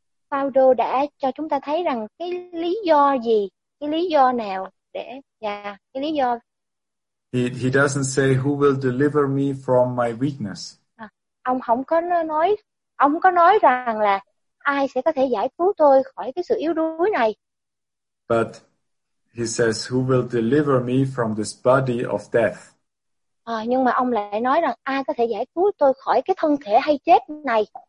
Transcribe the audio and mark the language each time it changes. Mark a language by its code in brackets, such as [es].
[vi] Paulo đã cho chúng ta thấy rằng cái lý do gì, cái lý do nào để cái lý do. [en] He doesn't say who will deliver me from my weakness. [vi] Ông không có nói, ông có nói rằng là ai sẽ có thể giải cứu tôi khỏi cái sự yếu đuối này. [en] But he says who will deliver me from this body of death. [vi] Nhưng mà ông lại nói rằng ai có thể giải cứu tôi khỏi cái thân thể hay chết này.